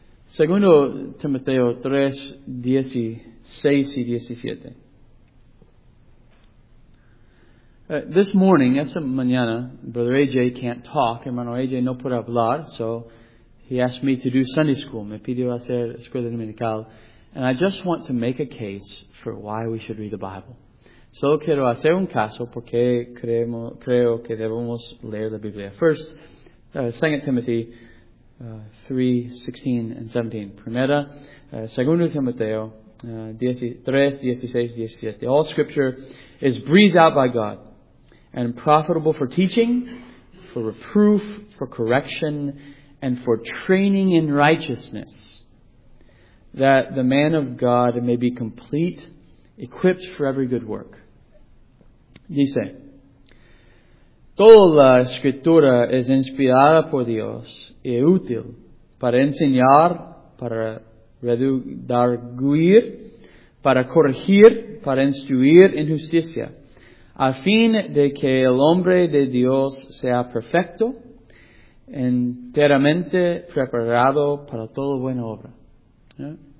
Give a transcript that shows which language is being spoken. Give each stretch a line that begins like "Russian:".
Spanish: 2 Timoteo 3:16-17.
English: This morning,
Spanish: esta mañana,
English: Brother AJ can't talk.
Spanish: Hermano AJ no puede hablar,
English: so he asked me to do Sunday school.
Spanish: Me pidió hacer escuela dominical.
English: And I just want to make a case for why we should read the Bible.
Spanish: Solo quiero hacer un caso porque creo que debemos leer la Biblia.
English: First, 2 Timothy 3:16-17.
Spanish: Primera, 2 Timoteo 3:16-17.
English: All scripture is breathed out by God and profitable for teaching, for reproof, for correction, and for training in righteousness, that the man of God may be complete, equipped for every good work.
Spanish: Dice, toda la escritura es inspirada por Dios y útil para enseñar, para redarguir, para corregir, para instruir en justicia, a fin de que el hombre de Dios sea perfecto, enteramente preparado para toda buena obra. Yeah.